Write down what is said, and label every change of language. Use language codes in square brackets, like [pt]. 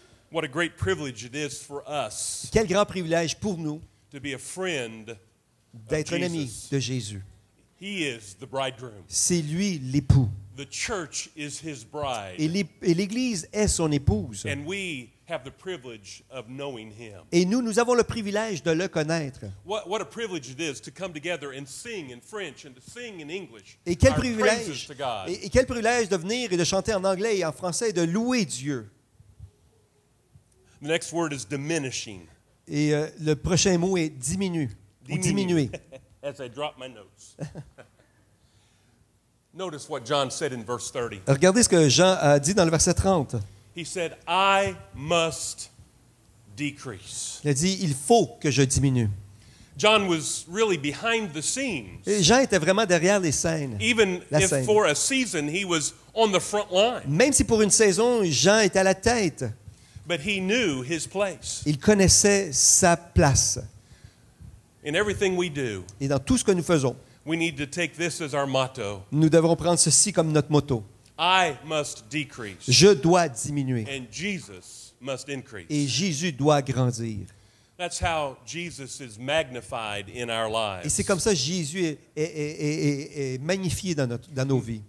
[en] What a great privilege it is for us. [fr] Quel grand privilège pour nous. [en] To be a friend. [fr] D'être un ami de Jésus. [en] He is the bridegroom. [fr] C'est lui l'époux. [en] The church is his bride. [fr] Et l'église est son épouse. [en] And we have the privilege of knowing him. [fr] Et nous avons le privilège de le connaître. [en] What a privilege it is to come together and sing in French and to sing in English. [fr] Et quel privilège. Et quel privilège de venir et de chanter en anglais et en français et de louer Dieu. [en] The next word is diminishing. [fr] Et le prochain mot est diminuer. Diminuer. [en] as I drop my notes. Notice what John said in verse 30. [fr] Regardez ce que Jean a dit dans le verset 30. [en] He said, I must decrease. [fr] Il a dit, il faut que je diminue. [en] John was really behind the scenes. [fr] Et Jean était vraiment derrière les scènes. [en] Even if for a season he was on the front line. [fr] Même si pour une saison, Jean était à la tête. [en] But he knew his place. [fr] Il connaissait sa place. [en] In everything we do. [fr] Et dans tout ce que nous faisons. [en] We need to take this as our motto. [fr] Nous devons prendre ceci comme notre motto. [en] I must decrease. [fr] Je dois diminuer. [en] And Jesus must increase. [fr] Et Jésus doit grandir. [en] That's how Jesus is magnified in our lives. [fr] Et c'est comme ça Jésus est magnifié dans nos vies.